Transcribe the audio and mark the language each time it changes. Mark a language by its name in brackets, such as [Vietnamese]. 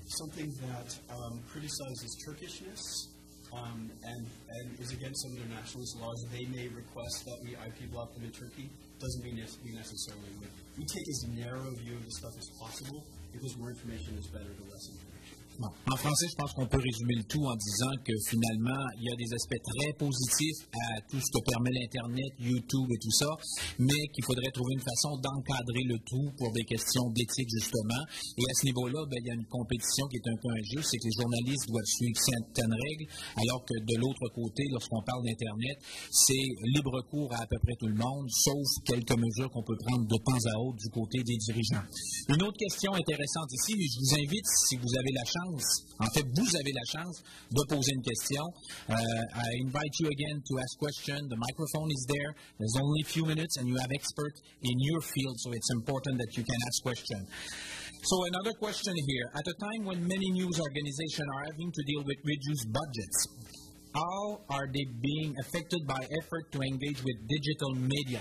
[English] It's something that criticizes Turkishness and is against some of their nationalist laws. They may request that we IP block them in Turkey. Doesn't mean we necessarily would. We take as narrow a view of the stuff as possible because more information is better than less information. [French] En français, je pense qu'on peut résumer le tout en disant que finalement, il y a des aspects très positifs à tout ce que permet l'Internet, YouTube et tout ça, mais qu'il faudrait trouver une façon d'encadrer le tout pour des questions d'éthique, justement. Et à ce niveau-là, ben, il y a une compétition qui est un peu injuste, c'est que les journalistes doivent suivre certaines règles, alors que de l'autre côté, lorsqu'on parle d'Internet, c'est libre cours à peu près tout le monde, sauf quelques mesures qu'on peut prendre de temps à autre du côté des dirigeants. Une autre question intéressante ici, je vous invite, si vous avez la chance, en fait, vous avez la chance de poser une question. [English] I invite you again to ask questions. The microphone is there. There's only a few minutes, and you have experts in your field, so it's important that you can ask questions. So another question here. At a time when many news organizations are having to deal with reduced budgets, how are they being affected by effort to engage with digital media?